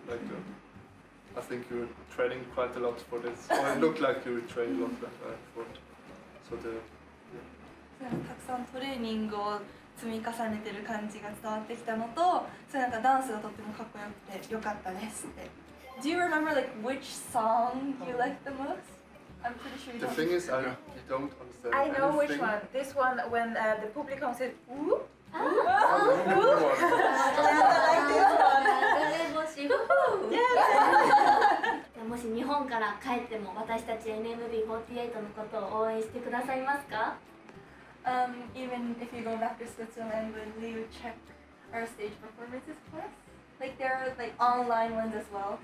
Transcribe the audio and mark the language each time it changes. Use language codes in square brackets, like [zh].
[en] Like, I think you're training quite a lot for this. Oh, it looked like you were training a lot for it. So the [ja] たくさんトレーニングを積み重ねてる感じが伝わってきたのと、それなんかダンスがとってもかっこよくて良かったですって。 [en] Do you remember like which song you like the most? I'm pretty sure you don't. The thing is, I don't understand. I know anything. Which one. This one when the publicum said ooh. Ah. Ooh. Yeah, I like this one. [ja] もし日本から帰っても私たち NMB48 のことを応援してくださいますか？ [en] Even if you go back to Switzerland, will you check our stage performances class? Like there are like online ones as well?